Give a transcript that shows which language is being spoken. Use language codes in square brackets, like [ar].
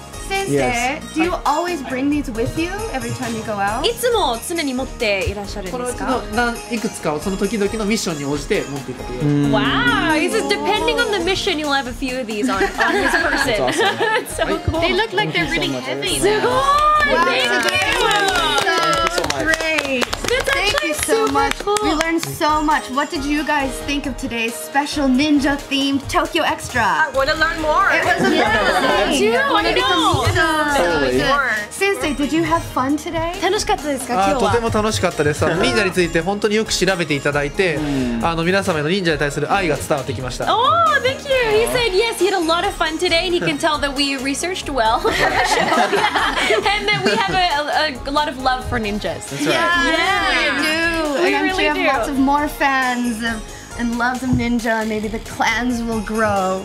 [en] Sensei, do you always bring these with you every time you go out? [ja] いつも常に持っていらっしゃるんですか? このうちの何いくつかをその時々のミッションに応じて持っていたという。 [en] Wow, it's depending on the mission, you'll have a few of these on this person. That's awesome. So cool. They look like they're really heavy. [ja] すごい! [en] Thank you! Thank you so much. Great! That's Thank you so much. Cool. We learned so much. What did you guys think of today's special ninja themed Tokyo Extra? I want to learn more. It was amazing. Yeah, me too. I want to know. Sensei, did you have fun today? [ja] 楽しかったですか今日は。とても楽しかったです。忍者について本当によく調べていただいて、皆様の忍者に対する愛が伝わってきました。 [en] Oh, thank you. He said yes. He had a lot of fun today, and he can tell that we researched well for the show, and that we have a lot of love for ninjas. Yeah, we do. We really have lots of more fans. And loves of ninja, maybe the clans will grow.